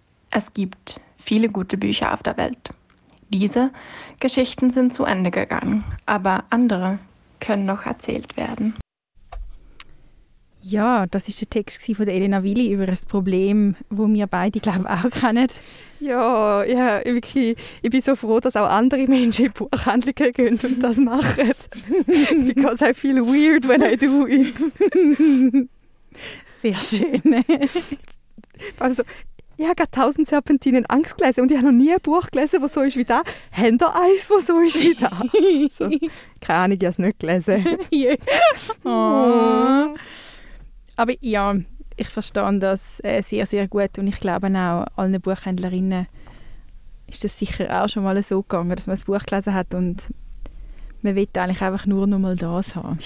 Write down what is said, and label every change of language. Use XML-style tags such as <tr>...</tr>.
<de>Es gibt viele gute Bücher auf der Welt. Diese Geschichten sind zu Ende gegangen, aber andere können noch erzählt werden. Ja, das war der Text von Elena Willi über ein Problem, das wir beide, glaube ich, auch kennen. Ja, ich bin so froh, dass auch andere Menschen in Buchhandlungen gehen und das machen.</de> <en>Because I feel weird when I do it.</en> <de>Sehr schön. Also, ich habe gerade 1000 Serpentinen Angst gelesen und ich habe noch nie ein Buch gelesen, das so ist wie da. Habt ihr eins, das so ist wie da? So. Keine Ahnung, ich habe es nicht gelesen. Yeah. Oh. Aber ja, ich verstehe das sehr, sehr gut und ich glaube auch allen Buchhändlerinnen ist das sicher auch schon mal so gegangen, dass man ein Buch gelesen hat und man will eigentlich einfach nur noch mal das haben.</de>